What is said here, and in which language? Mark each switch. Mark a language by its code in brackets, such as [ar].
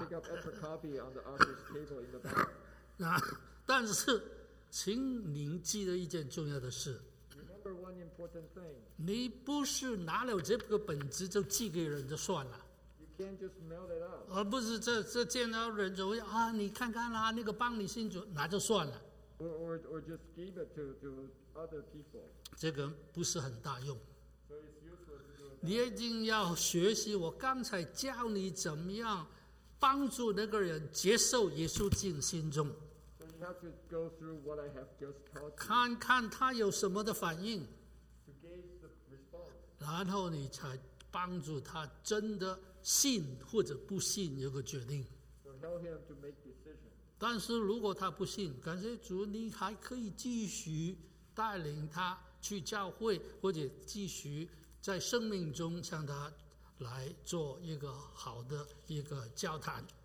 [en] So you can pick up extra copy on the office table in the back. [zh] 那但是。请您记得一件重要的事。 [en] Remember one important thing. [zh] 你不是拿了这个本子就寄给人就算了。 [en] You can't just mail it out. [zh] 而不是这见到人就会啊，你看看啦、啊，那个帮你信主拿就算了。 [en] Or just give it to other people. [zh] 这个不是很大用。 [en] So it's useful to do. [zh] 你一定要学习我刚才教你怎么样帮助那个人接受耶稣进心中。 [en] You have to go through what I have just taught you. [zh] 看看他有什么的反应。 [en] To gauge the response. [zh] 然后你才帮助他真的信或者不信有个决定。 [en] So help him to make decision. [zh] 但是如果他不信，感谢主，你还可以继续带领他去教会，或者继续在生命中向他来做一个好的一个交谈。